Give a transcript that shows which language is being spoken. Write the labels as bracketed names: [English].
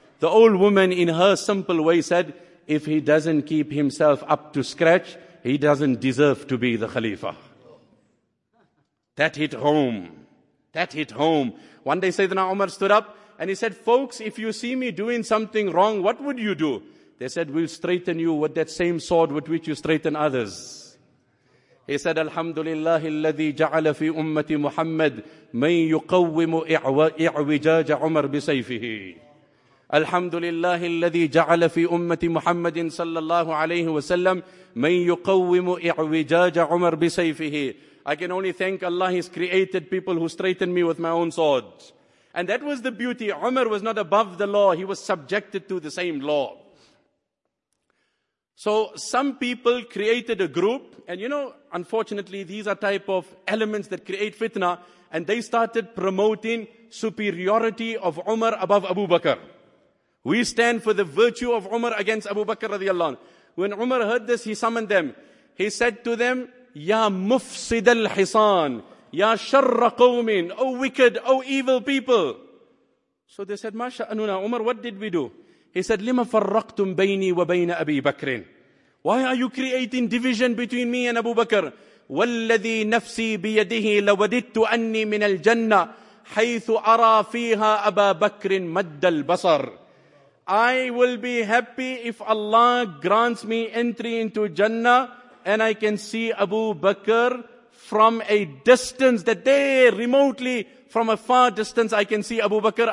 [English] The old woman in her simple way said, if he doesn't keep himself up to scratch, he doesn't deserve to be the Khalifa. That hit home. That hit home. One day Sayyidina Umar stood up and he said, folks, if you see me doing something wrong, what would you do? They said, we'll straighten you with that same sword with which you straighten others. He said, [Arabic] Alhamdulillah, الذي جعل في أمة محمد من يقوم إعوجاج عمر بسيفه. Alhamdulillah, الذي جعل في أمة محمد صلى الله عليه وسلم من يقوم إعوجاج عمر بسيفه. [English] I can only thank Allah, He's created people who straighten me with my own sword. And that was the beauty. Umar was not above the law. He was subjected to the same law. So some people created a group, and you know, unfortunately, these are type of elements that create fitna, and they started promoting superiority of Umar above Abu Bakr. We stand for the virtue of Umar against Abu Bakr radiallahu anhu. When Umar heard this, he summoned them. He said to them, [Arabic] Ya Mufsid al-Hisan, Ya Sharra Qawmin, [English] O wicked, O evil people. So they said, [Arabic] Masha Anuna, [English] Umar, what did we do? He said, [Arabic] لِمَ فَرَّقْتُمْ بَيْنِي وَبَيْنَ أَبِي بَكْرٍ. [English] Why are you creating division between me and Abu Bakr? [Arabic] وَالَّذِي نَفْسِي بِيَدِهِ لَوَدِدْتُ أَنِّي مِنَ الْجَنَّةِ حَيْثُ أَرَى فِيهَا أَبَا بَكْرٍ مَدَّ الْبَصَرِ. [English] I will be happy if Allah grants me entry into Jannah and I can see Abu Bakr from a distance, that there, remotely, from a far distance, I can see Abu Bakr.